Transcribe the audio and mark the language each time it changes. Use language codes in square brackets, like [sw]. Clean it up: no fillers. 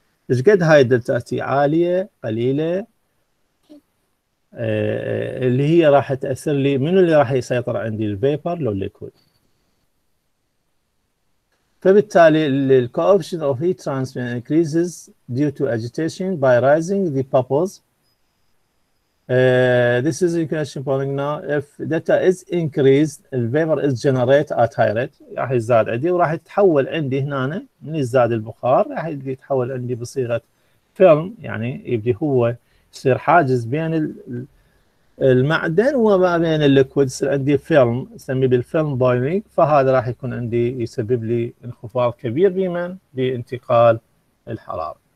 [ar] إيش قد هاي الدلتا تي؟ عالية، قليلة؟ اللي هي راح تأثر لي، من اللي راح يسيطر عندي، البيبر لو الليكويد؟ فبالتالي الـ [en] coefficient of heat transfer increases due to agitation by rising the bubbles. This is a question point now. If data is increased, the vapor is generated at high rate. [ar] راح يزداد عندي وراح يتحول عندي هنا، من يزداد البخار راح يتحول عندي بصيغة فيلم، يعني يبدي هو يصير حاجز بين المعدن وما بين الليكويد، يصير عندي فيلم نسميه بالفيلم بويلينج. فهذا راح يكون عندي يسبب لي انخفاض كبير بمن؟ بانتقال الحرارة.